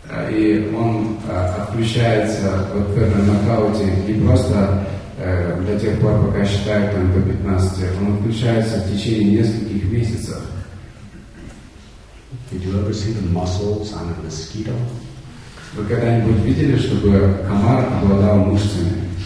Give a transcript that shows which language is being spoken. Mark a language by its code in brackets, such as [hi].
[ru] И он отключается вот в этом нокауте не просто до тех пор, пока считает там до 15, он отключается в течение нескольких месяцев. [en] Did you ever see the muscles on a mosquito? [ru] Вы когда-нибудь видели, чтобы комар обладал мышцами?